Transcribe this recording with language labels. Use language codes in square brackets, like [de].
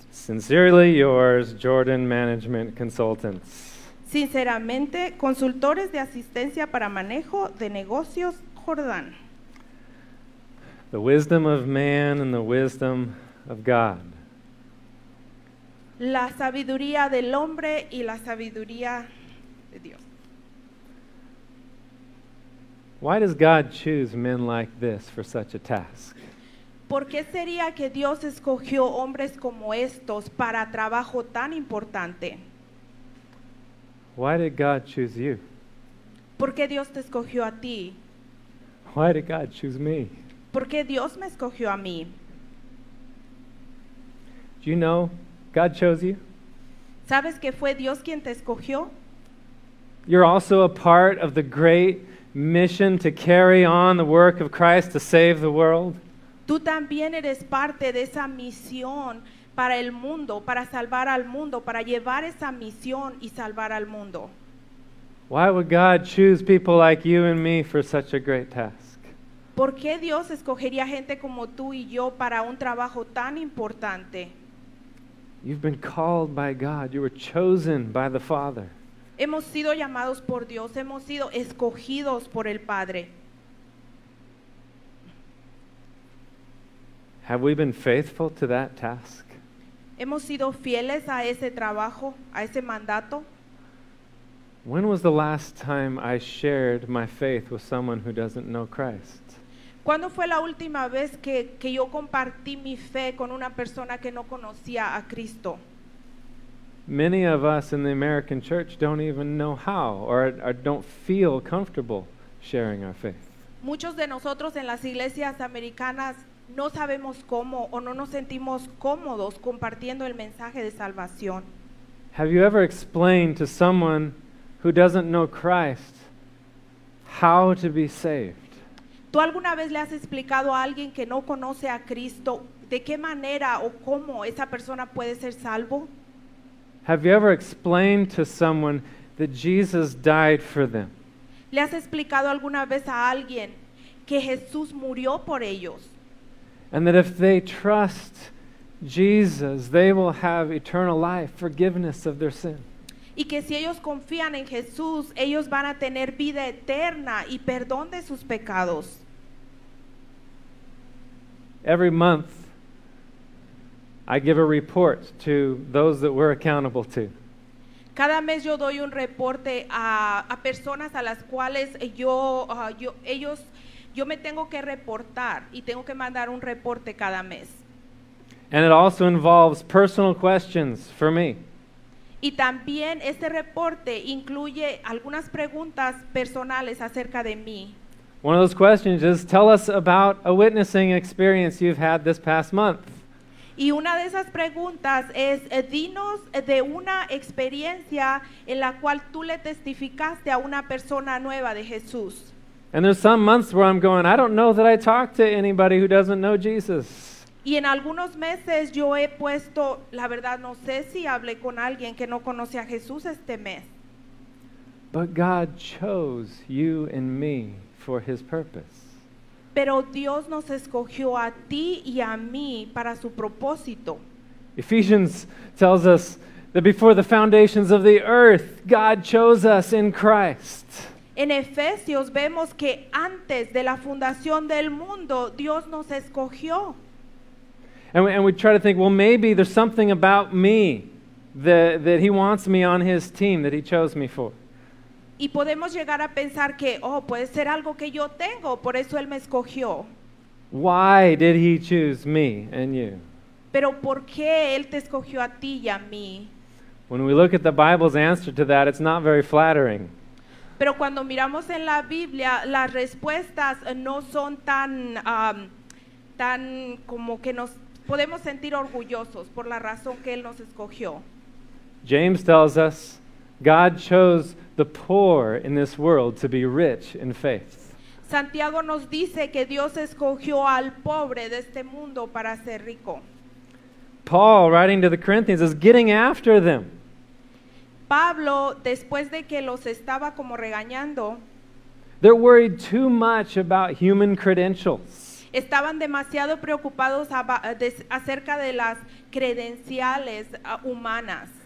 [en] Sincerely yours, Jordan Management Consultants. [es] Sinceramente, consultores de asistencia para manejo de negocios Jordán. [en] The wisdom of man and the wisdom of God. [es] La sabiduría del hombre y la sabiduría de Dios. [en] Why does God choose men like this for such a task? [es] ¿Por qué sería que Dios escogió hombres como estos para trabajo tan importante? [en] Why did God choose you? [es] ¿Por qué Dios te escogió a ti? [en] Why did God choose me? [es] ¿Por qué Dios me escogió a mí? [en] Do you know God chose you? [es] ¿Sabes que fue Dios quien te escogió? [en] You're also a part of the great mission to carry on the work of Christ to save the world. [es] Tú también eres parte de esa misión para el mundo, para salvar al mundo, para llevar esa misión y salvar al mundo. [en] Why would God choose people like you and me for such a great task? [es] ¿Por qué Dios escogería gente como tú y yo para un trabajo tan importante? [en] You've been called by God. You were chosen by the Father. [es] Hemos sido llamados por Dios. Hemos sido escogidos por el Padre. [en] Have we been faithful to that task? [es] Hemos sido fieles a ese trabajo, a ese mandato. [en] When was the last time I shared my faith with someone who doesn't know Christ? [es] ¿Cuándo fue la última vez que yo compartí mi fe con una persona que no conocía a Cristo? [en] Many of us in the American church don't even know how or don't feel comfortable sharing our faith. [es] Muchos de nosotros en las iglesias americanas no sabemos cómo o no nos sentimos cómodos compartiendo el mensaje de salvación. [en] Have you ever explained to someone who doesn't know Christ how to be saved? [es] ¿Tú alguna vez le has explicado a alguien que no conoce a Cristo de qué manera o cómo esa persona puede ser salvo? [en] Have you ever explained to someone that Jesus died for them? [es] ¿Le has explicado alguna vez a alguien que Jesús murió por ellos? [en] And that if they trust Jesus, they will have eternal life, forgiveness of their sin. [es] Y que si ellos confían en Jesús, ellos van a tener vida eterna y perdón de sus pecados. [en] Every month, I give a report to those that we're accountable to. [es] Cada mes yo doy un reporte a personas a las cuales yo me tengo que reportar y tengo que mandar un reporte cada mes. [en] And it also involves personal questions for me. [es] Y también este reporte incluye algunas preguntas personales acerca de mí. [en] One of those questions is, tell us about a witnessing experience you've had this past month. [es] Y una de esas preguntas es, dinos de una experiencia en la cual tú le testificaste a una persona nueva de Jesús. [en] And there's some months where I'm going, I don't know that I talk to anybody who doesn't know Jesus. [es] Y en algunos meses yo he puesto, la verdad no sé si hablé con alguien que no conoce a Jesús este mes. [en] But God chose you and me for his purpose. [es] Pero Dios nos escogió a ti y a mí para su propósito. [en] Ephesians tells us that before the foundations of the earth, God chose us in Christ. [es] En Efesios vemos que antes de la fundación del mundo, Dios nos escogió. [en] And we try to think, well, maybe there's something about me that he wants me on his team that he chose me for. [es] Y podemos llegar a pensar que, oh, puede ser algo que yo tengo, por eso él me escogió. [en] Why did he choose me and you? [es] Pero ¿por qué él te escogió a ti y a mí? [en] When we look at the Bible's answer to that, it's not very flattering. [es] Pero cuando miramos en la Biblia, las respuestas no son tan como que nos podemos sentir orgullosos por la razón que él nos escogió. [en] James tells us, God chose the poor in this world to be rich in faith. [es] Santiago nos dice que Dios escogió al pobre de este mundo para ser rico. [en] Paul, writing to the Corinthians, is getting after them. [es] Pablo, después de que los estaba como regañando, [en] they're worried too much about human credentials. [es] Estaban demasiado preocupados acerca de las credenciales humanas.